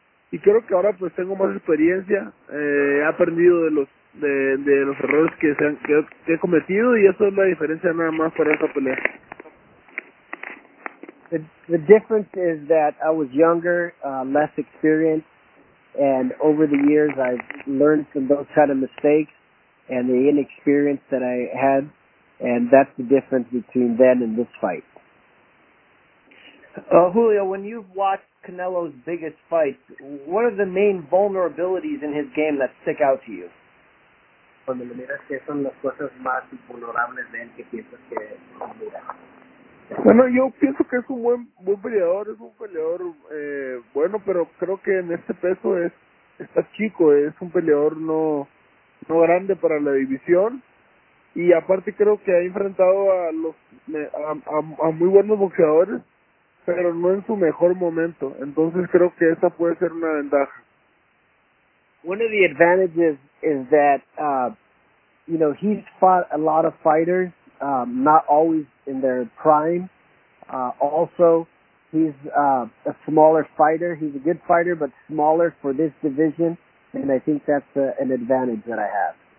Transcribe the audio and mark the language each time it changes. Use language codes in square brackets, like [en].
[es] Y creo que ahora pues tengo más experiencia, he aprendido de los errores que he cometido, y eso es la diferencia nada más para esta pelea. [en] The difference is that I was younger, less experienced, and over the years I've learned from those kind of mistakes and the inexperience that I had, and that's the difference between then and this fight. Julio, when you've watched Canelo's biggest fights, what are the main vulnerabilities in his game that stick out to you? [es] Cuando lo miras, ¿qué son las cosas más vulnerables de él que piensas que mira? Bueno, yo pienso que es un buen peleador, es un peleador bueno, pero creo que en este peso está chico, es un peleador no grande para la división, y aparte creo que ha enfrentado a muy buenos boxeadores, pero no en su mejor momento, entonces creo que esa puede ser una ventaja. [en] One of the advantages is that, you know, he's fought a lot of fighters, not always in their prime. Also, he's a smaller fighter. He's a good fighter, but smaller for this division, and I think that's an advantage that I have.